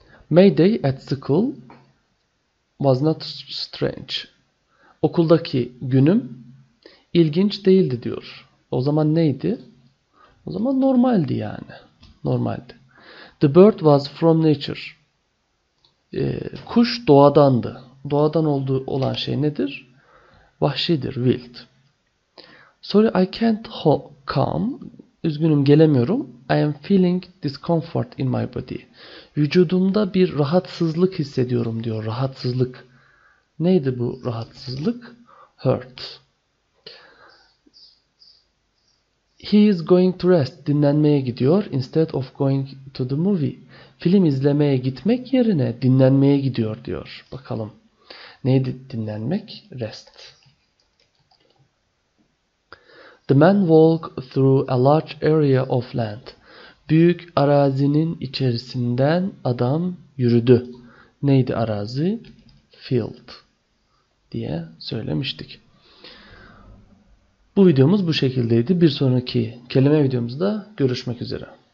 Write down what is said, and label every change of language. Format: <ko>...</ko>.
<en>Mayday at school was not strange.</en> <tr>Okuldaki günüm ilginç değildi diyor. O zaman neydi? O zaman normaldi yani. Normaldi.</tr> <en>The bird was from nature.</en> <tr>Kuş doğadandı. Doğadan olduğu olan şey nedir? Vahşidir,</tr> <en>wild. Sorry, I can't come.</en> <tr>Üzgünüm, gelemiyorum.</tr> <en>I am feeling discomfort in my body.</en> <tr>Vücudumda bir rahatsızlık hissediyorum diyor. Rahatsızlık. Neydi bu rahatsızlık? Hurt.</tr> <en>He is going to rest.</en> <tr>Dinlenmeye gidiyor.</tr> <en>Instead of going to the movie.</en> <tr>Film izlemeye gitmek yerine dinlenmeye gidiyor diyor. Bakalım. Neydi dinlenmek? Rest.</tr> <en>The man walked through a large area of land.</en> <tr>Büyük arazinin içerisinden adam yürüdü. Neydi arazi? Field diye söylemiştik. Bu videomuz bu şekildeydi. Bir sonraki kelime videomuzda görüşmek üzere.</tr>